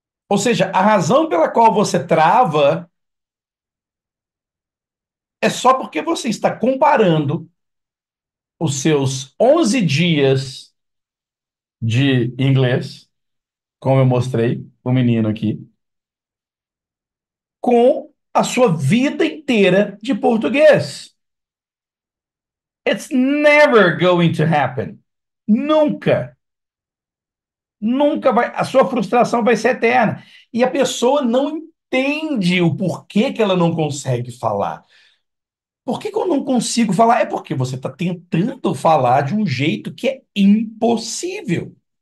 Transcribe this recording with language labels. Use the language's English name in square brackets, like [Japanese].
[Portuguese] Ou seja, a razão pela qual você trava é só porque você está comparando os seus 11 dias de inglês, como eu mostrei o menino aqui, com a sua vida inteira de português. [English] It's never going to happen. [Portuguese] Nunca. Nunca vai. A sua frustração vai ser eterna. E a pessoa não entende o porquê que ela não consegue falar. Por que que eu não consigo falar? É porque você está tentando falar de um jeito que é impossível.